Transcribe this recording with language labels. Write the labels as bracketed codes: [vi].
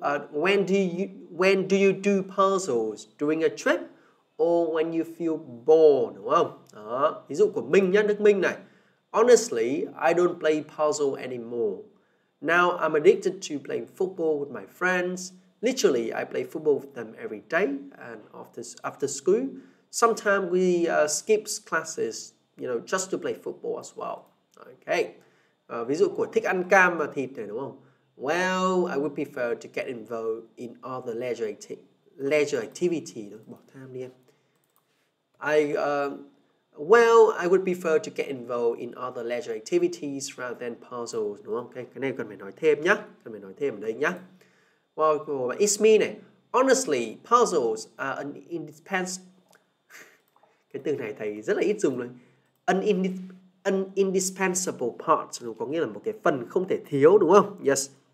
[en] When do you do puzzles during a trip or when you feel bored, [vi] đúng không? Đó, ví dụ của Minh nhé, Đức Minh này. [en] Honestly, I don't play puzzle anymore. Now I'm addicted to playing football with my friends. Literally, I play football with them every day and after school. Sometimes we skip classes, you know, just to play football as well. Okay. [vi] Ví dụ của thích ăn cam và thịt này đúng không? [en] Well, I would prefer to get involved in other leisure activity. [vi] Bỏ tham đi em. [en] I would prefer to get involved in other leisure activities rather than puzzles, [vi] đúng không? Cái này cần phải nói thêm nhá, cần phải nói thêm ở đây nhá. [en] Well, it's me [vi] này. [en] Honestly, puzzles are an indispensable. [vi] Cái từ này thầy rất là ít dùng luôn. [en] An indispensable part, [vi] có nghĩa là một cái phần không thể thiếu, đúng không? Yes.